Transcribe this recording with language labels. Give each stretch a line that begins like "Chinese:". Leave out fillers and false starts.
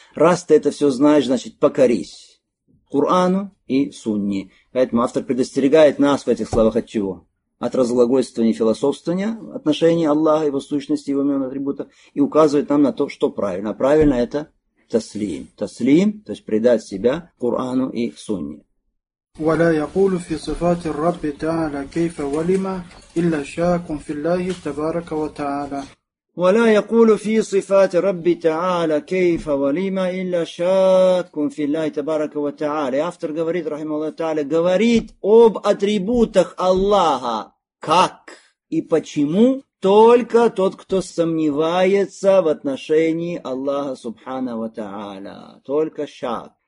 Russian: Раз ты это все знаешь, значит, покорись Корану и Сунне. Поэтому автор предостерегает нас в этих словах от чего? От разглагольствования и философствования отношений Аллаха, его сущности, его имен, атрибутов, и указывает нам на то, что правильно. А правильно это таслим. Таслим, то есть предать себя Корану и Сунне.
Arabic: ولا يقول في صفات الرب تعالى كيف ولما إلا شاك في الله تبارك وتعالى ولا يقول في صفات الرب تعالى كيف ولما إلا شاك في الله تبارك وتعالى
Russian: автор говорит,
Arabic: رحمه الله تعالى,
Russian: говорит об атрибутах Аллаха, как и почему только тот, кто сомневается в отношении Аллаха Субхана ва Тааля, только шак.